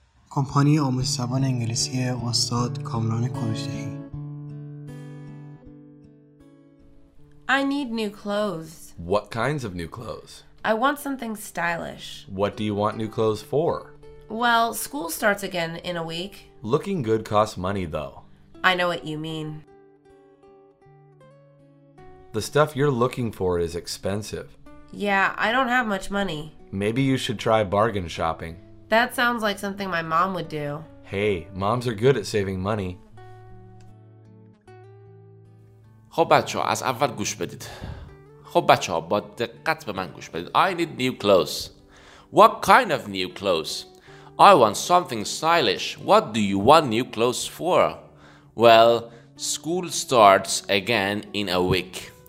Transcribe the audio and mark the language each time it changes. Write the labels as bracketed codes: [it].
[fa] کمپانی آموزش زبان انگلیسی استاد کامران کوروشهی. [en] I need new clothes. What kinds of new clothes? I want something stylish. What do you want new clothes for? Well, school starts again in a week. Looking good costs money, though. I know what you mean. The stuff you're looking for is expensive. Yeah, I don't have much money. Maybe you should try bargain shopping. That sounds like something my mom would do. Hey, moms are good at saving money. [fa] خب بچه ها از اول گوش بدید. خب بچه ها با دقت به من گوش بدید. [en] I need new clothes. What kind of new clothes? I want something stylish. What do you want new clothes for? Well, school starts again in a week.